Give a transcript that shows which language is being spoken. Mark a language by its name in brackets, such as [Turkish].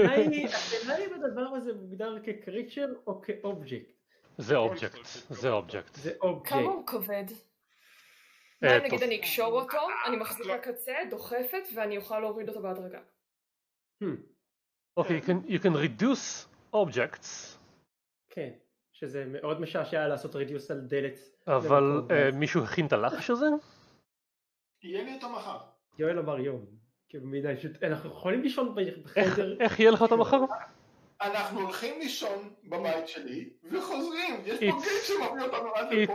[Hebrew] בדבר הזה מוגדר כקריצ'ר או כאובג'קט? זה אובג'קט, זה אובג'קט. כמה הוא כובד? נגיד אני אקשור אותו, אני מחזיקה קצה, דוחפת ואני אוכל להוריד אותו בהדרגה. [English] אוקיי, you can reduce objects. [Hebrew] כן, שזה מאוד משעשע לעשות רדיוס על דלת. אבל מישהו הכין את הלחש הזה? יהיה לי אותו מחר. יואל אמר יום, כי במידה פשוט אנחנו יכולים לישון בחדר. איך יהיה לך אותו מחר? אנחנו הולכים לישון בבית שלי וחוזרים, יש פה גיל שמביא אותנו עד לפה.